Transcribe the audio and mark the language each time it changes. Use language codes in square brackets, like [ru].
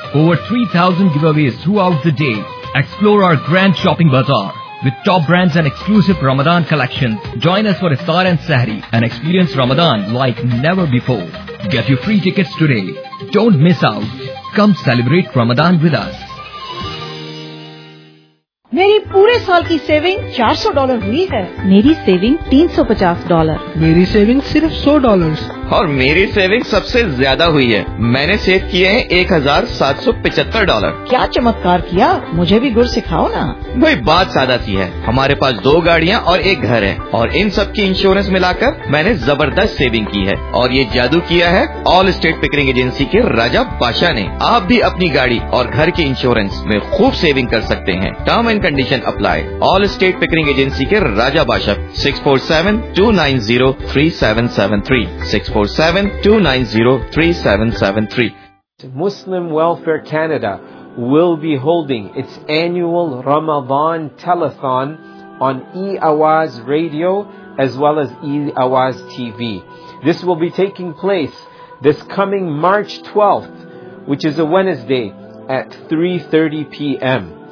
[en] Over 3,000 giveaways throughout the day. Explore our grand shopping bazaar with top brands and exclusive Ramadan collections. Join us for Iftar and Sahri and experience Ramadan like never before. Get your free tickets today. Don't miss out. Come celebrate Ramadan with us. [hi] मेरी पूरे साल की saving $400 हुई है। मेरी saving $350। मेरी saving सिर्फ $100। और मेरी सेविंग सबसे ज्यादा हुई है। मैंने सेव किए हैं $1,775। क्या चमत्कार किया, मुझे भी गुर सिखाओ ना। भाई बात सादा सी है, हमारे पास दो गाड़ियाँ और एक घर है और इन सब की इंश्योरेंस मिलाकर मैंने जबरदस्त सेविंग की है और ये जादू किया है ऑल स्टेट पिकरिंग एजेंसी के राजा बादशाह ने। आप भी अपनी गाड़ी और घर की इंश्योरेंस में खूब सेविंग कर सकते हैं। Term and condition apply. All state Pickering agency के राजा बादशाह 6472903773 6472903773. [en] Muslim Welfare Canada will be holding its annual Ramadan telethon on E-Awaz Radio as well as E-Awaz TV. This will be taking place this coming March 12th, which is a Wednesday, at 3:30 p.m.